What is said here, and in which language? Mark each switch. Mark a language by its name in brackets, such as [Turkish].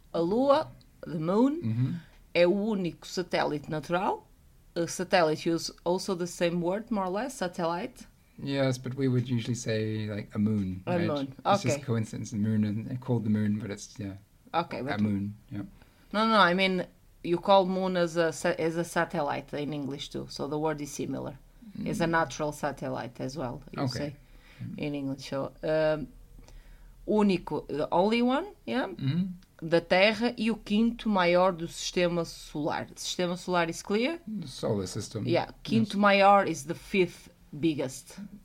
[Portuguese] A Lua, the Moon, é o único satélite natural. [English] A satellite use also the same word, more or less, satellite. Yes, but we would usually say like a moon. [Portuguese] A [English] right? Moon. Okay. It's just coincidence, the moon, and called the moon, but it's okay. A moon. Yeah. No. I mean, you call moon as a satellite in English too, so the word is similar. Mm. It's a natural satellite as well. You say in English. So único, the only one. Yeah. Mm-hmm. [Portuguese] Da Terra e o quinto maior do Sistema Solar. [English] Sistema Solar is clear? The solar system. Yeah, [Portuguese] quinto maior [English] is the fifth biggest.